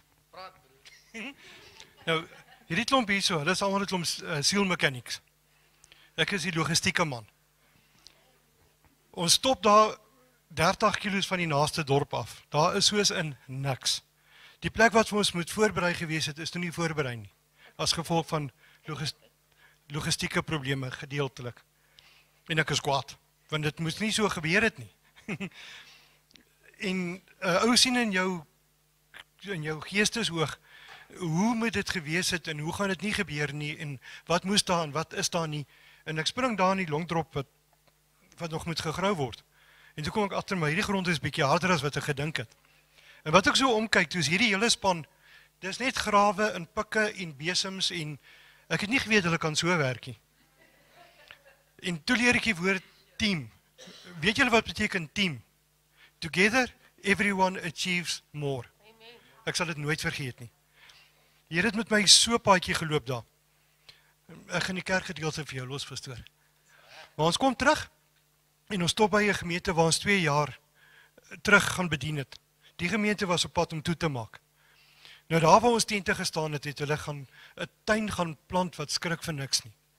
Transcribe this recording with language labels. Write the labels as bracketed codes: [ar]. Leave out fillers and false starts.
[af] Praat, broer. Nou, hierdie klomp hier so, hulle is allemaal die klomp seal mechanics. Ek is die logistieke man. Ons stop daar 30 kilo's van die naaste dorp af. Daar is soos in niks. Die plek wat vir ons moet voorberei gewees het, is nou nie voorberei nie. As gevolg van logistieke probleme gedeeltelik. En ek is kwaad, want dit moet nie so gebeur het nie. En ou sien in jou geesteshoog, hoe moet dit gewees het en hoe gaan dit nie gebeur nie en wat moes daar en wat is daar nie. En ek spring daar in die longdrop wat nog moet gegrou word. En toe kom ek achter, maar hierdie grond is bietjie harder as wat ek gedink het. En wat ek so omkyk, toe is hierdie hele span, dit is net grawe en pikke en besems en ek het nie geweet hulle kan so werkie. En toe leer ek die woord team. Weet julle wat beteken team? [en] Together, everyone achieves more. [af] Ek sal dit nooit vergeet nie. Hier het met my so paadjie geloop daar. Ek gaan die kerkgedeelte vir jou los, pastoor. Maar ons kom terug en ons stop by die gemeente waar ons 2 jaar terug gaan bedien het. Die gemeente was op pad om toe te maak. Nou daar waar ons tente gestaan het, het hulle gaan een tuin gaan plant wat skrik vir niks nie.